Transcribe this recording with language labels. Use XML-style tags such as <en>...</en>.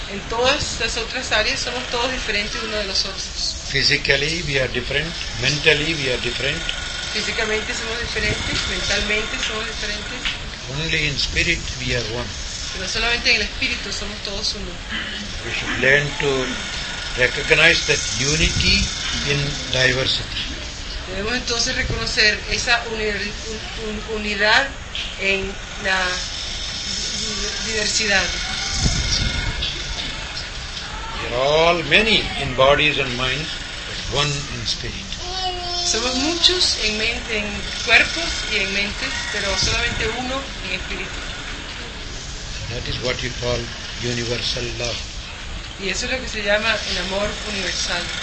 <es>En todas las otras áreas somos todos diferentes uno de los otros.</es> <en>Physically we are different. Mentally we are different.</en> <es>Físicamente somos diferentes. Mentalmente somos diferentes.</es> <en>Only in spirit we are one.</en> <es>Pero solamente en el espíritu somos todos uno.</es> <en>We should learn to recognize that unity in diversity.</en> <es>Debemos entonces reconocer esa unidad en la diversidad.</es> <en>We are all many in bodies and minds, but one in spirit.</en> <es>Somos muchos en mente, en cuerpos y en mentes, pero solamente uno en espíritu.</es> <en>That is what you call universal love.</en> <es>Y eso es lo que se llama el amor universal.</es>